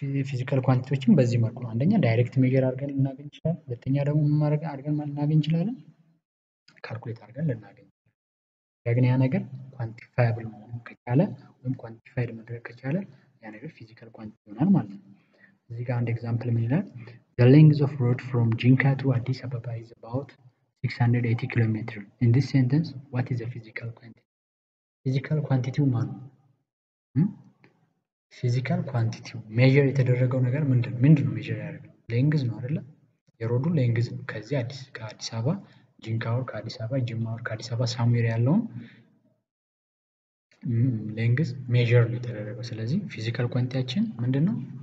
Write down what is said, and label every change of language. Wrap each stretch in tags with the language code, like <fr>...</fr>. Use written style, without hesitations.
<am>physical quantities በዚህ መልኩ ነው አንደኛ direct measure አድርገን እናገኝ ይችላል ሁለተኛ ደግሞ ማድረግ አድርገን እናገኝ ይችላል calculate አድርገን ለናገኝ ያገኘ ያ ነገር ኳንቲፋይብል መሆን ከቻለ ወይም ኳንቲፋይድ መደረግ ከቻለ ያ ነገር ፊዚካል ኳንቲቲ ይሆናል ማለት ነው። እዚህ ጋር አንድ ኤግዛምፕል ምን ይላል?</am> <en>The length of road from Jinka to Addis Ababa is about 680 km. In this sentence, what is the physical quantity?</en> <am>ፊዚካል ኳንቲቲው ማን ነው? ፊዚካል ኳንቲቲው ሜጀር የተደረገው ነገር ምንድነው? ምንድነው ሜጀር ያደረገው? ሌንግዝ ነው አይደለ? የሮዱ ሌንግዝ ነው ከዚህ አዲስ ከአዲስ አበባ ጂንካውር ከአዲስ አበባ ጅማውር ከአዲስ አበባ ሳሙዌር ያለውን ሌንግዝ ሜጀር ነው የተደረገው ስለዚህ ፊዚካል ኳንቲቲያችን ምንድን ነው</am>